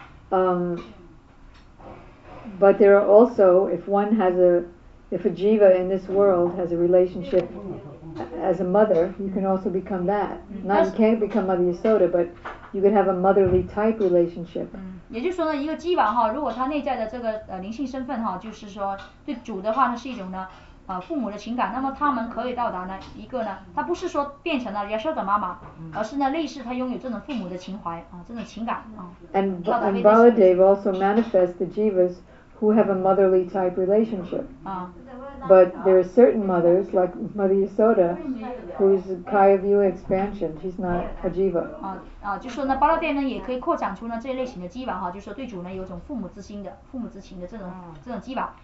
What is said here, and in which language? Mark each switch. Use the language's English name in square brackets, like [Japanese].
[English] But there are also, if a jiva in this world has a relationship as a mother, you can also become that. Not you can't become Mother Yasoda, but you could have a motherly type relationship. [Chinese] 嗯，也就是说呢，一个 jiva 哈，如果他内在的这个灵性身份哈，就是说对主的话呢是一种呢父母的情感，那么他们可以到达呢一个呢，他不是说变成了 Yasoda 的妈妈，而是呢类似他拥有这种父母的情怀啊，这种情感啊。 [English] And Baladev also manifests the jivas who have a motherly type relationship. But there are certain mothers like Mother Yasoda, who's Kaya View expansion. She's not a jiva. [Chinese] 就说呢 Baladev 呢也可以扩展出呢这一类型的 jiva 哈，就说对主呢有种父母之情的这种 jiva。